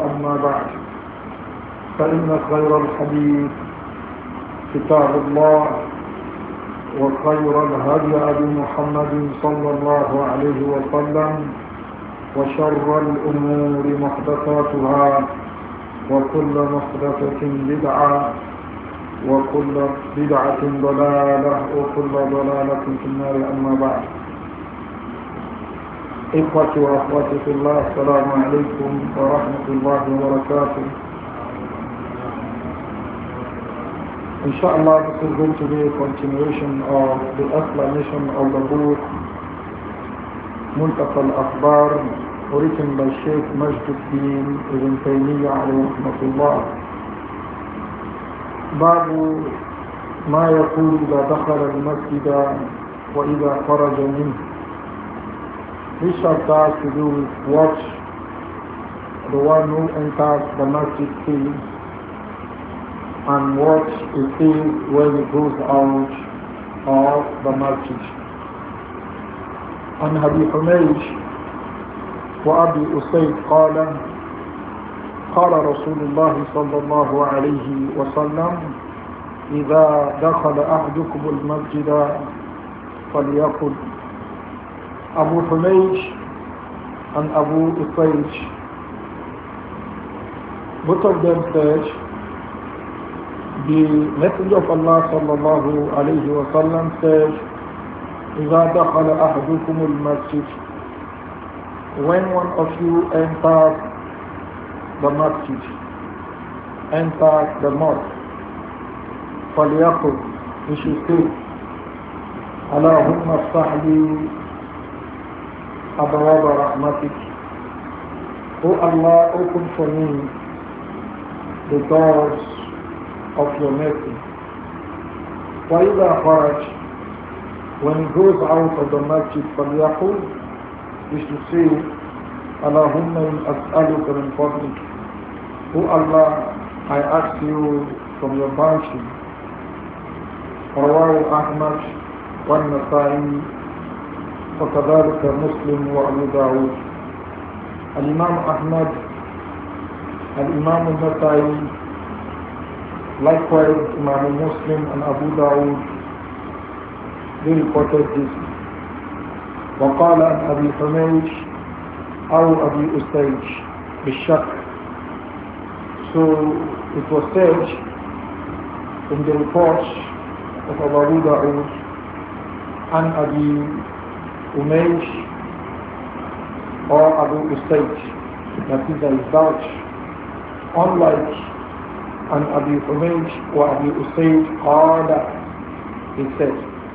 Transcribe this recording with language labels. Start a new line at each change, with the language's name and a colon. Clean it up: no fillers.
Arabic: أما بعد، فإن خير الحديث كتاب الله، وخير الهدي هدي محمد صلى الله عليه وسلم، وشر الأمور محدثاتها، وكل محدثة بدعة، وكل بدعة ضلالة، وكل ضلالة في النار. أما بعد، إخوتي وأخواتي في الله، السلام عليكم ورحمة الله وبركاته.
English: Inshallah, this is going to be a continuation of the explanation of the book Muntaqa al-Akhbar, written by Sheikh Majduddin Ibn Taymiyyah rahimahullah.
Arabic: باب ما يقول إذا دخل المسجد وإذا خرج منه.
English: This chapter has to do with what the one who enters the masjid sees and what he sees when he goes out of the masjid.
Arabic: عن أبي حميد وأبي أسيد قال قال رسول الله صلى الله عليه وسلم إذا دخل أحدكم المسجد فليقل. أبو حميد
English: and
Arabic: أبو أسيد
English: both of them said the Messenger of Allah
Arabic: صلى الله عليه وسلم
English: said
Arabic: إذا دخل أحدكم المسجد,
English: when one of you enters the masjid, enters the mosque,
Arabic: فليقل,
English: he should say,
Arabic: اللهم افتح لي أبواب رحمتك,
English: O Allah, open for me the doors of your mercy.
Arabic: وإذا خرج,
English: when he goes out of the masjid,
Arabic: فليقل,
English: he should say,
Arabic: اللهم أسألك من فضلك,
English: O Allah, I ask you from your bounty.
Arabic: رواه أحمد والنسائي وكذلك مسلم وأبو داود. الإمام أحمد, الإمام النسائي,
English: likewise
Arabic: إمام مسلم
English: and
Arabic: أبو داود,
English: they reported this.
Arabic: وقال عن أبي حميد أو أبي أسيد بالشك.
English: So it was said in the reports of Abu Daud and Abi Umayj or Abu Usayd that is a doubt, unlike an Abi Umayj or Abi Usayd or that he said.